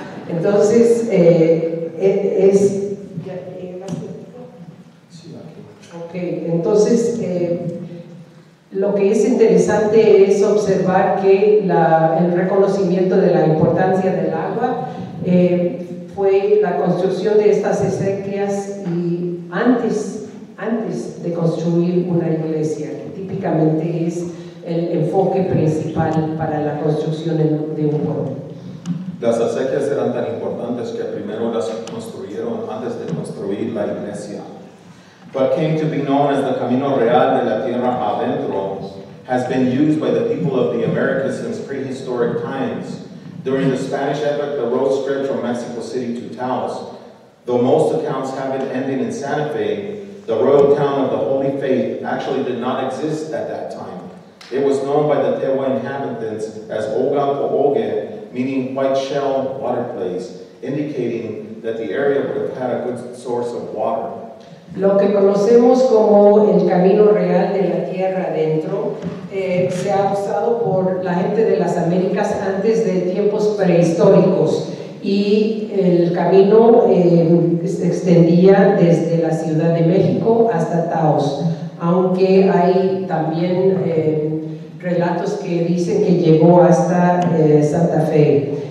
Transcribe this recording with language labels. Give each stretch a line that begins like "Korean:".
Spanish: Entonces, lo que es interesante es observar que el reconocimiento de la importancia del agua fue la construcción de estas acequias y antes de construir una iglesia, que típicamente es el enfoque principal para la construcción de un pueblo. Las acequias eran tan importantes que primero las construir la iglesia.
English: What came to be known as the Camino Real de la Tierra Adentro has been used by the people of the Americas since prehistoric times. During the Spanish epoch, the road stretched from Mexico City to Taos. Though most accounts have it ending in Santa Fe, the royal town of the Holy Faith actually did not exist at that time. It was known by the Tehua inhabitants as Ogalpooge, meaning white shell water place, indicating that the area would have had a good source of water.
Spanish: Lo que conocemos como el Camino Real de la Tierra Adentro se ha usado por la gente de las Américas antes de tiempos prehistóricos. Y el camino se extendía desde la Ciudad de México hasta Taos, aunque hay también relatos que dicen que llegó hasta Santa Fe.